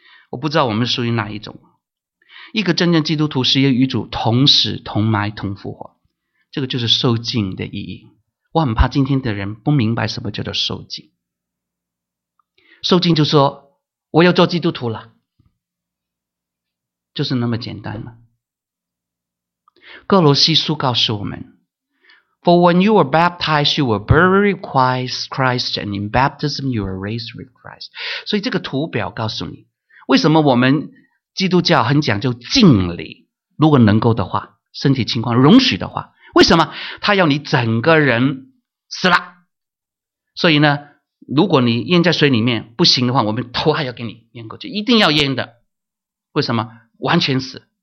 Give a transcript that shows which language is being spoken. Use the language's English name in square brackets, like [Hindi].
[Chinese] 我不知道我们属于哪一种。一个真正基督徒是与主同死同埋同复活，这个就是受浸的意义。我很怕今天的人不明白什么叫做受浸。受浸就说我要做基督徒了，就是那么简单了。哥罗西书告诉我们 [English] For when you were baptized you were buried with Christ and in baptism you were raised with Christ。 [Chinese] 所以这个图表告诉你为什么我们基督教很讲究敬礼，如果能够的话，身体情况容许的话，为什么他要你整个人死了？所以呢，如果你淹在水里面不行的话，我们头还要给你淹过去，一定要淹的。为什么？完全死。